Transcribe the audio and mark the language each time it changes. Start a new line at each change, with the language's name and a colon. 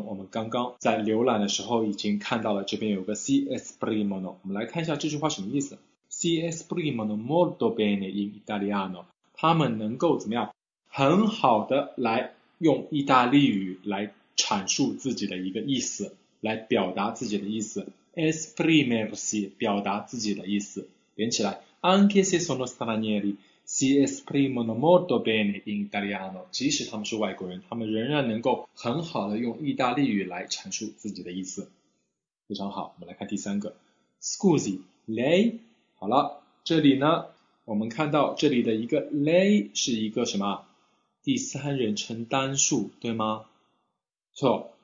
Chinese: 我们刚刚在浏览的时候已经看到了这边有个
Italian: si esprimono。
Chinese: 我们来看一下这句话什么意思？
Italian: si esprimono molto bene in italiano。
Chinese: 他们能够怎么样？很好的来用意大利语来阐述自己的一个意思，来表达自己的意思。
Italian: esprimersi
Chinese: 表达自己的意思，连起来，
Italian: anche se sono stranieri si esprimono molto bene in italiano。
Chinese: 即使他们是外国人，他们仍然能够很好的用意大利语来阐述自己的意思，非常好。我们来看第三个，
Italian: scusi lei。
Chinese: 好了，这里呢，我们看到这里的一个 lei 是一个什么？第三人称单数，对吗？错。